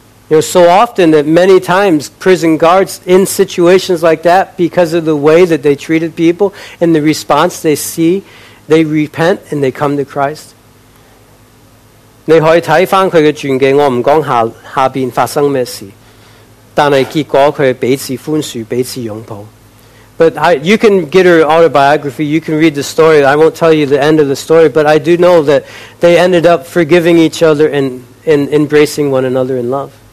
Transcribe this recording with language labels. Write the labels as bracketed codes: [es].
[en] You know, so often that many times prison guards in situations like that, because of the way that they treated people and the response they see, they repent and they come to Christ. [yue] 你可以看回他的传记，我不说下面发生什么事，但是结果他彼此宽恕，彼此拥抱。 [en] But you can get her autobiography, you can read the story. I won't tell you the end of the story, but I do know that they ended up forgiving each other and embracing one another in love.